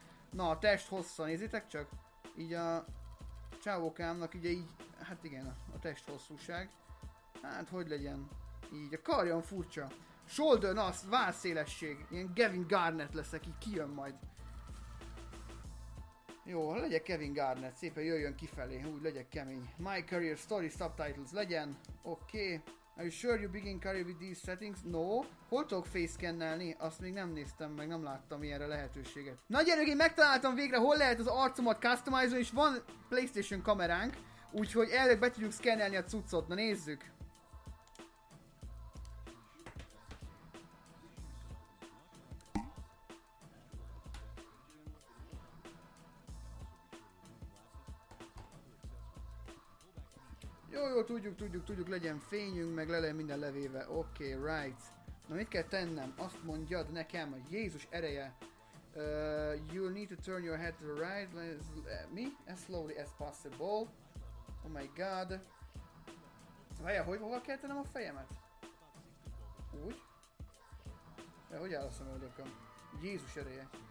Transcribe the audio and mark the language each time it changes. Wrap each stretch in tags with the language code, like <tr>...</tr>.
<hu>Na, a test hossza, nézzétek csak. Így a csávokámnak ugye így, hát igen, a test hosszúság. Hát hogy legyen? Így, a karjon furcsa. Shoulder, na, válszélesség. Ilyen Kevin Garnett leszek, így kijön majd. Jó, legyek Kevin Garnett, szépen jöjjön kifelé, úgy legyek kemény. My career story subtitles legyen, oké. Okay.</hu> <en>Are you sure you begin career with these settings? No.</en> <hu>Hol tudok face-scannelni? Azt még nem néztem meg, nem láttam ilyenre lehetőséget. Na gyerek, én megtaláltam végre, hol lehet az arcomat customizálni, és van PlayStation kameránk, úgyhogy elég be tudjuk szkennelni a cuccot, na nézzük. Jó, tudjuk, legyen fényünk, meg le legyen minden levéve. Oké, okay, right. Na, mit kell tennem? Azt mondjad nekem, a Jézus ereje.</hu> <en>You need to turn your head to the right, me, as slowly as possible. Oh my god.</en> <hu>Várja, hogy hova kell tennem a fejemet? Úgy? De hogy áll a szemöldököm? Jézus ereje.</hu>